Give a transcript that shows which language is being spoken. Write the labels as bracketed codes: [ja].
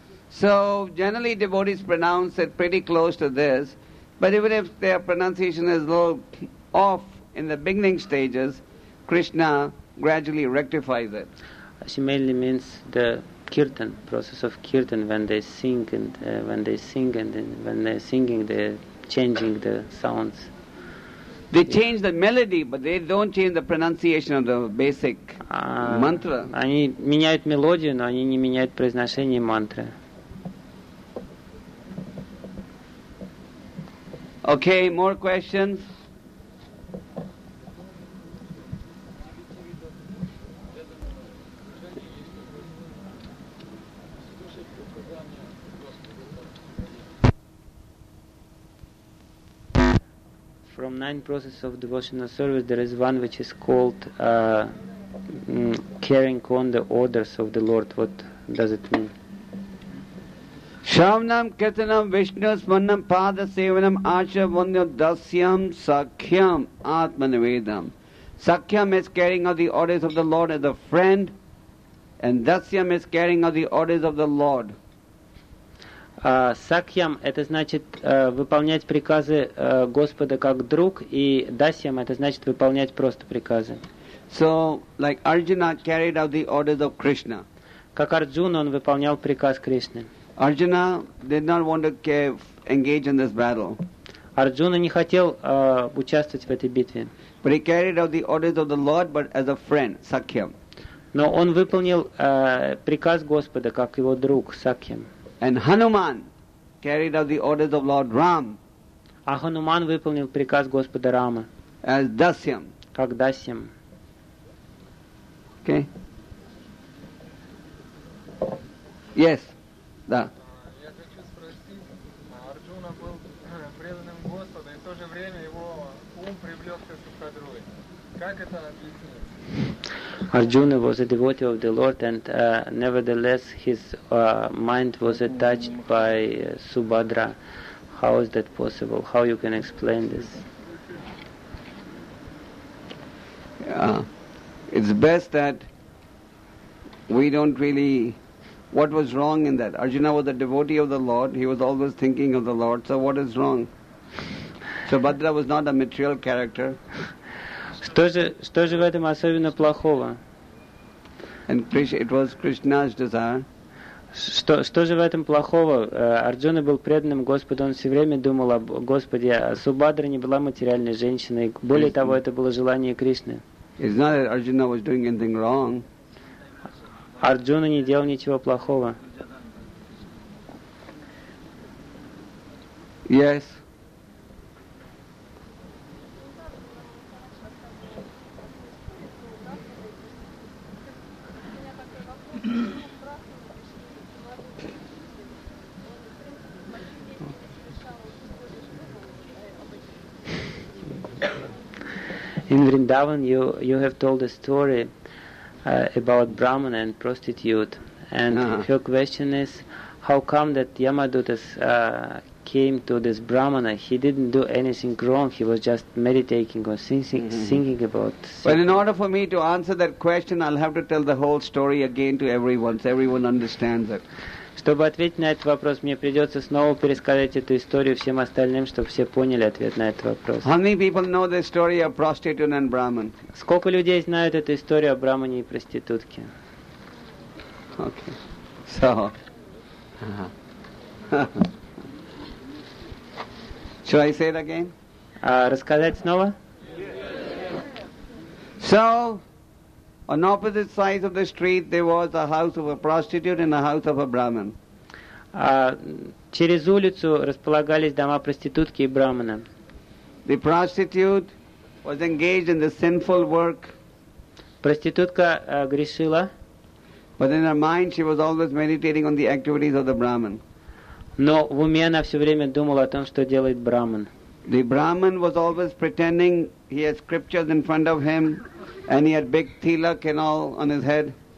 [en] So, generally devotees pronounce it pretty close to this, but even if their pronunciation is a little off in the beginning stages, Krishna gradually rectifies it. She mainly means the kirtan, process of kirtan, when they're singing, they're changing the sounds. They change the melody, but they don't change the pronunciation of the basic mantra. [ru] Они меняют мелодию, но они не меняют произношение мантры. [en] Okay, more questions? From 9 processes of devotional service, there is one which is called carrying on the orders of the Lord. What does it mean? [sa] Shravanam, Kirtanam, Vishnu, Smarnam, Pada, Sevanam, Acharya, Vandyam, Dasyam, Sakhyam, Atmanivedam. [en] Sakhyam is carrying out the orders of the Lord as a friend, and Dasyam is carrying out the orders of the Lord. [ru] Sakhyam – это значит выполнять приказы Господа как друг, и Dasyam – это значит выполнять просто приказы. [en] So, like Arjuna carried out the orders of Krishna. [ru] Как Арджуна, он выполнял приказ Кришны. [en] Arjuna did not want to engage in this battle. [ru] Арджуна не хотел участвовать в этой битве. [en] But he carried out the orders of the Lord, but as a friend, Sakya. [ru] Но он выполнил приказ Господа как его друг Сакья. [en] And Hanuman carried out the orders of Lord Ram. [ru] А Хануман выполнил приказ Господа Рама. [en] As Dasyam. [ru] Как Дасьям. [en] Okay. Yes. [ru] Да. Я хочу спросить, Арджуна был преданным Господа, и в то же время его ум привлекся Сухадрой. Как это объяснить? [en] Arjuna was a devotee of the Lord and nevertheless his mind was attached by Subhadra. How is that possible? How you can explain this? It's best that we don't really... What was wrong in that? Arjuna was a devotee of the Lord, he was always thinking of the Lord, so what is wrong? Subhadra was not a material character. [ru] Что же в этом особенно плохого? [en] And Krishna, it was Krishna's desire. [ru] Что же в этом плохого? Арджуна был преданным Господу, он все время думал о Господе, а Субхадра не была материальной женщиной. Более Krishna. Того, это было желание Кришны. [en] It's not that Arjuna was doing anything wrong. [ru] Арджуна не делал ничего плохого. [en] Yes. In Vrindavan, you have told a story about Brahman and prostitute. And Your question is, how come that Yamadutas came to this Brahmana? He didn't do anything wrong. He was just meditating or thinking about sin. Well, in order for me to answer that question, I'll have to tell the whole story again to everyone, so everyone understands it. [ru] Чтобы ответить на этот вопрос, мне придется снова пересказать эту историю всем остальным, чтобы все поняли ответ на этот вопрос. [en] How many people know the story of prostitute and Brahman? [ru] Сколько людей знают эту историю о Брамане и проститутке? [en] Okay. So. Should I say it again? [ru] Рассказать снова? [en] Yes. So. On opposite sides of the street, there was a house of a prostitute and a house of a Brahman. [ru] Через улицу располагались дома проститутки и брахмана. [en] The prostitute was engaged in the sinful work. [ru] Проститутка грешила. [en] But in her mind, she was always meditating on the activities of the Brahman. [ru] Но в уме она все время думала о том, что делает брахман. [en] The Brahman was always pretending he had scriptures in front of him. And he had big tilak and all on his head.